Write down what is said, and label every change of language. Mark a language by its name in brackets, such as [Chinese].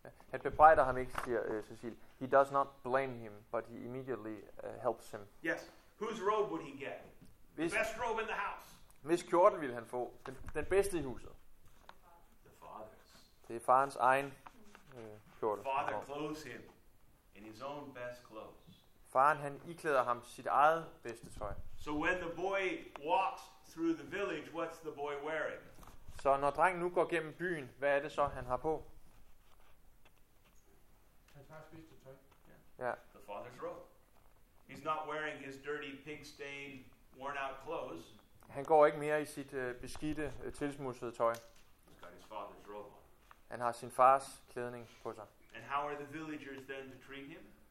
[Danish] Han bebrejder ham ikke, siger Cecil. [English] He does not blame him, but he immediately helps him. Yes. Whose robe would he get? Best robe in the house. [Danish] Hvis kjorten ville han få den bedste i huset? [English] The father's. [Danish] Det er farens egen kjorte. [English] Father clothes him in his own best clothes. [Danish] Faren han iklæder ham sit eget bedste tøj. [English] So when the boy walks through the village, what's the boy wearing? [Danish] Så når drengen nu går gennem byen, hvad er det så han har på? [English] Yeah. The father's robe. He's not wearing his dirty, pig-stained, worn-out clothes. [Danish] Han går ikke mere i sit beskidte, tilsmudsede tøj. [English] He's got his father's robe on. [Danish] Han har sin fars klædning på sig. [English] And how are the villagers then to treat him?